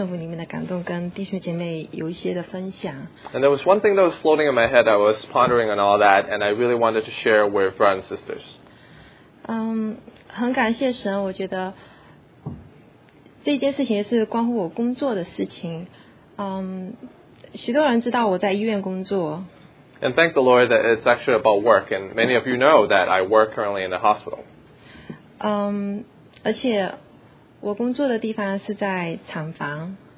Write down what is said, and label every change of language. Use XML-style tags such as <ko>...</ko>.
<zh>有一件事情就一直出现在我的脑海里面，所以我想我还是要顺服里面的感动，跟弟兄姐妹有一些的分享。</zh> <en>And there was one thing that was floating in my head. I was pondering on all that, and I really wanted to share with brothers and sisters.</en> <zh>很感谢神，我觉得这件事情是关乎我工作的事情。许多人知道我在医院工作。</zh> <en>And thank the Lord that it's actually about work, and many of you know that I work currently in the hospital.</en> <zh>而且我工作的地方是在厂房。</zh>